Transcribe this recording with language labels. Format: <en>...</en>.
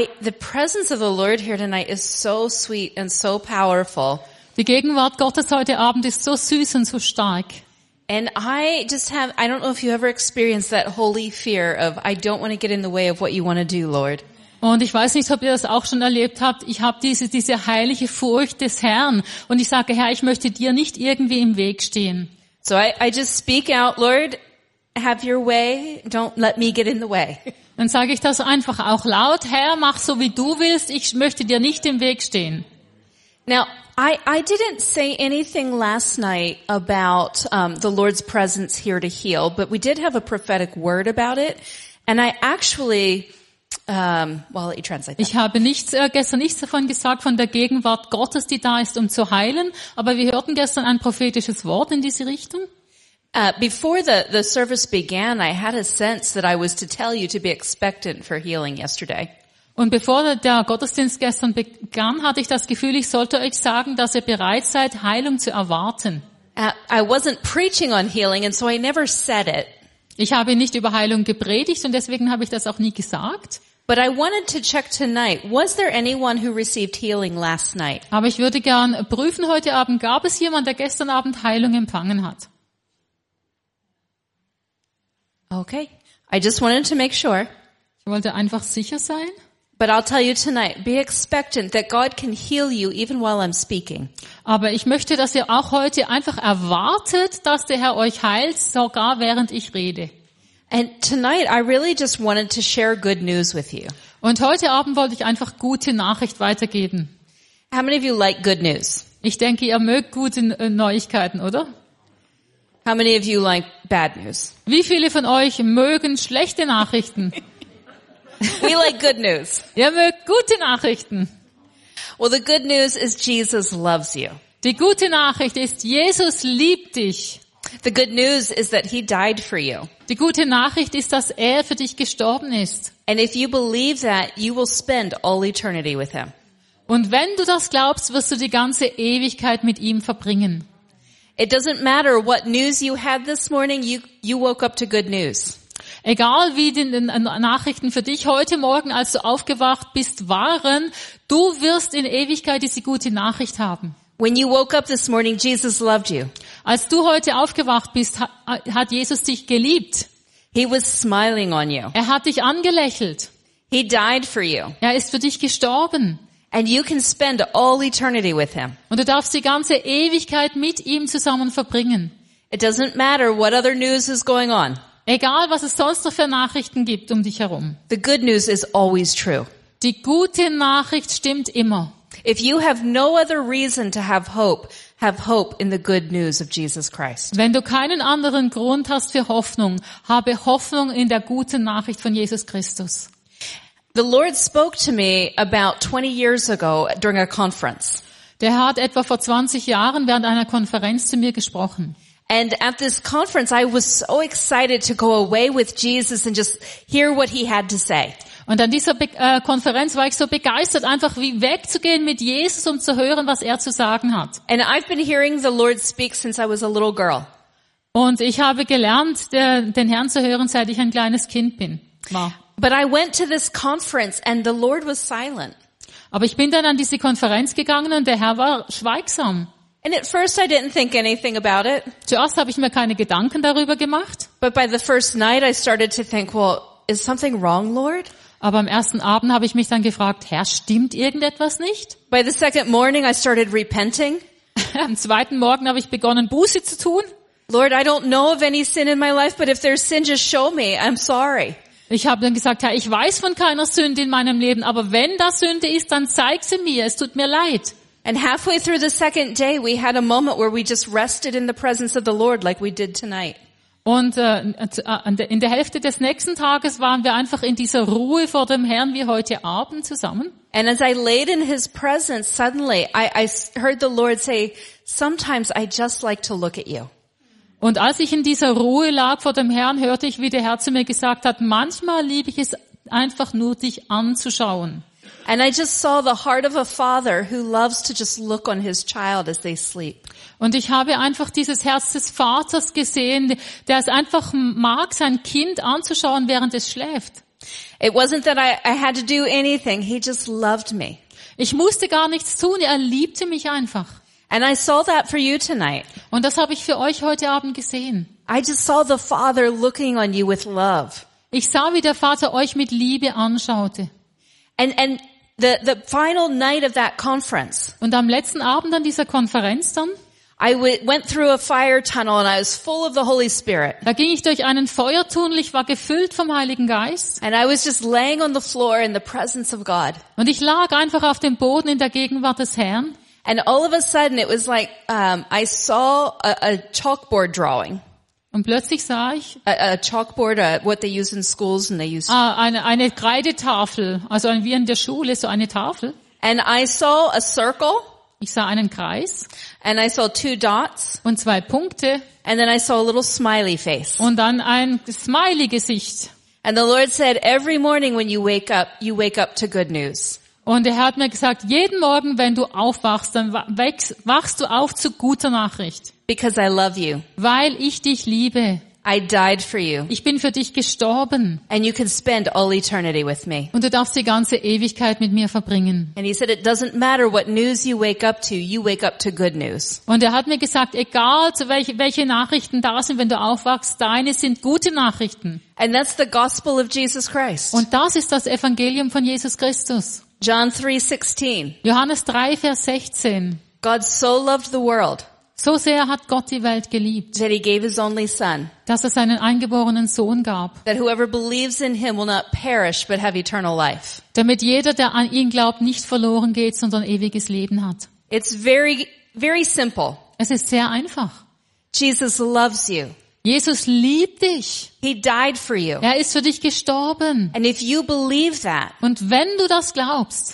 <en>The presence of the Lord here tonight is so sweet and so powerful.</en> <de>Die Gegenwart Gottes heute Abend ist so süß und so stark.</de> <en>And I just have, I don't know if you ever experienced that holy fear of, I don't want to get in the way of what you want to do, Lord.</en> <de>Und ich weiß nicht, ob ihr das auch schon erlebt habt. Ich habe diese heilige Furcht des Herrn. Und ich sage, Herr, ich möchte dir nicht irgendwie im Weg stehen.</de> <en>So I just speak out, Lord, have your way. Don't let me get in the way.</en> <de>Dann sage ich das einfach auch laut. Herr, mach so, wie du willst. Ich möchte dir nicht im Weg stehen.</de> <en>Now, I didn't say anything last night about the Lord's presence here to heal, but we did have a prophetic word about it. And I actually... I'll let you translate that.</en> <de>Ich habe gestern nichts davon gesagt, von der Gegenwart Gottes, die da ist, um zu heilen. Aber wir hörten gestern ein prophetisches Wort in diese Richtung.</de> <en>Before the service began, I had a sense that I was to tell you to be expectant for healing yesterday.</en> <de>Und bevor der Gottesdienst gestern begann, hatte ich das Gefühl, ich sollte euch sagen, dass ihr bereit seid, Heilung zu erwarten.</de> <en>I wasn't preaching on healing, and so I never said it.</en> <de>Ich habe nicht über Heilung gepredigt und deswegen habe ich das auch nie gesagt.</de> <en>But I wanted to check tonight. Was there anyone who received healing last night?</en> <de>Aber ich würde gern prüfen heute Abend, gab es jemand, der gestern Abend Heilung empfangen hat?</de> <en>Okay. I just wanted to make sure.</en> <de>Ich wollte einfach sicher sein.</de> <en>But I'll tell you tonight, be expectant that God can heal you even while I'm speaking.</en> <de>Aber ich möchte, dass ihr auch heute einfach erwartet, dass der Herr euch heilt, sogar während ich rede.</de> <en>And tonight I really just wanted to share good news with you.</en> <de>Und heute Abend wollte ich einfach gute Nachricht weitergeben.</de> <en>How many of you like good news?</en> <de>Ich denke, ihr mögt gute Neuigkeiten, oder?</de> <en>How many of you like bad news?</en> <de>Wie viele von euch mögen schlechte Nachrichten?</de> <en>We like good news.</en> <de>Ihr mögt gute Nachrichten.</de> <en>Well, the good news is Jesus loves you.</en> <de>Die gute Nachricht ist, Jesus liebt dich.</de> <en>The good news is that he died for you.</en> <de>Die gute Nachricht ist, dass er für dich gestorben ist.</de> <en>And if you believe that, you will spend all eternity with him.</en> <de>Und wenn du das glaubst, wirst du die ganze Ewigkeit mit ihm verbringen.</de> <en>It doesn't matter what news you had this morning, you woke up to good news.</en> <de>Egal wie die Nachrichten für dich heute Morgen, als du aufgewacht bist, waren, du wirst in Ewigkeit diese gute Nachricht haben.</de> <en>When you woke up this morning, Jesus loved you.</en> <de>Als du heute aufgewacht bist, hat Jesus dich geliebt.</de> <en>He was smiling on you.</en> <de>Er hat dich angelächelt.</de> <en>He died for you.</en> <de>Er ist für dich gestorben.</de> <en>And you can spend all eternity with him.</en> <de>Und du darfst die ganze Ewigkeit mit ihm zusammen verbringen.</de> <en>It doesn't matter what other news is going on.</en> <de>Egal, was es sonst noch für Nachrichten gibt um dich herum.</de> <en>The good news is always true.</en> <de>Die gute Nachricht stimmt immer.</de> <en>If you have no other reason to have hope in the good news of Jesus Christ.</en> <de>Wenn du keinen anderen Grund hast für Hoffnung, habe Hoffnung in der guten Nachricht von Jesus Christus.</de> <en>The Lord spoke to me about 20 years ago during a conference.</en> <de>Der Herr hat etwa vor 20 Jahren während einer Konferenz zu mir gesprochen.</de> <en>And at this conference I was so excited to go away with Jesus and just hear what he had to say.</en> <de>Und an dieser Konferenz war ich so begeistert, einfach wie wegzugehen mit Jesus, um zu hören, was er zu sagen hat.</de> <en>And I've been hearing the Lord speak since I was a little girl.</en> <de>Und ich habe gelernt, den Herrn zu hören, seit ich ein kleines Kind bin.</de> <en>Wow. But I went to this conference and the Lord was silent.</en> <de>Aber ich bin dann an diese Konferenz gegangen und der Herr war schweigsam.</de> <en>And at first I didn't think anything about it.</en> <de>Zuerst habe ich mir keine Gedanken darüber gemacht.</de> <en>But by the first night I started to think, well, is something wrong, Lord?</en> <de>Aber am ersten Abend habe ich mich dann gefragt, Herr, stimmt irgendetwas nicht?</de> <en>By the second morning I started repenting.</en> <de>Am zweiten Morgen habe ich begonnen, Buße zu tun.</de> <en>Lord, I don't know of any sin in my life, but if there's sin, just show me. I'm sorry.</en> <de>Ich habe dann gesagt, Herr, ich weiß von keiner Sünde in meinem Leben, aber wenn da Sünde ist, dann zeig sie mir. Es tut mir leid.</de> <en>And halfway through the second day, we had a moment where we just rested in the presence of the Lord, like we did tonight.</en> <de>Und in der Hälfte des nächsten Tages waren wir einfach in dieser Ruhe vor dem Herrn wie heute Abend zusammen.</de> <en>And as I laid in His presence, suddenly I heard the Lord say, "Sometimes I just like to look at you."</en> <de>Und als ich in dieser Ruhe lag vor dem Herrn, hörte ich, wie der Herr zu mir gesagt hat: "Manchmal liebe ich es einfach nur, dich anzuschauen."</de> <en>And I just saw the heart of a father who loves to just look on his child as they sleep.</en> <de>Und ich habe einfach dieses Herz des Vaters gesehen, der es einfach mag, sein Kind anzuschauen, während es schläft.</de> <en>It wasn't that I had to do anything. He just loved me.</en> <de>Ich musste gar nichts tun. Er liebte mich einfach.</de> <en>And I saw that for you tonight.</en> <de>Und das habe ich für euch heute Abend gesehen.</de> <en>I just saw the Father looking on you with love.</en> <de>Ich sah, wie der Vater euch mit Liebe anschaute.</de> <en>And the final night of that conference.</en> <de>Und am letzten Abend an dieser Konferenz dann.</de> <en>I went through a fire tunnel and I was full of the Holy Spirit.</en> <de>Da ging ich durch einen Feuertunnel, ich war gefüllt vom Heiligen Geist.</de> <en>And I was just laying on the floor in the presence of God.</en> <de>Und ich lag einfach auf dem Boden in der Gegenwart des Herrn.</de> <en>And all of a sudden it was like I saw a chalkboard drawing.</en> <de>Und plötzlich sah ich</de> <en>a chalkboard, what they use in schools and they use</en> <de>eine Kreidetafel, also wie in der Schule so eine Tafel.</de> <en>And I saw a circle.</en> <de>Ich sah einen Kreis.</de> <en>And I saw two dots.</en> <de>Und zwei Punkte.</de> <en>And then I saw a little smiley face.</en> <de>Und dann ein smiley Gesicht.</de> <en>And the Lord said, every morning when you wake up to good news.</en> <de>Und er hat mir gesagt, jeden Morgen, wenn du aufwachst, dann wachst du auf zu guter Nachricht.</de> <en>Because I love you.</en> <de>Weil ich dich liebe.</de> <en>I died for you.</en> <de>Ich bin für dich gestorben.</de> <en>And you can spend all eternity with me.</en> <de>Und du darfst die ganze Ewigkeit mit mir verbringen.</de> <en>And he said it doesn't matter what news you wake up to. You wake up to good news.</en> <de>Und er hat mir gesagt, egal zu welche Nachrichten da sind, wenn du aufwachst, deine sind gute Nachrichten.</de> <en>And that's the gospel of Jesus Christ.</en> <de>Und das ist das Evangelium von Jesus Christus.</de> <en>John 3:16.</en> <de>Johannes 3 Vers 16.</de> <en>God so loved the world.</en> <de>So sehr hat Gott die Welt geliebt,</de> <en>that he gave his only son,</en> <de>dass er seinen eingeborenen Sohn gab,</de> <en>that whoever believes in him will not perish, but have eternal life.</en> <de>Damit jeder, der an ihn glaubt, nicht verloren geht, sondern ewiges Leben hat.</de> <en>It's very, very simple.</en> <de>Es ist sehr einfach.</de> <en>Jesus loves you.</en> <de>Jesus liebt dich.</de> <en>He died for you.</en> <de>Er ist für dich gestorben.</de> <en>And if you believe that,</en> <de>und wenn du das glaubst,</de>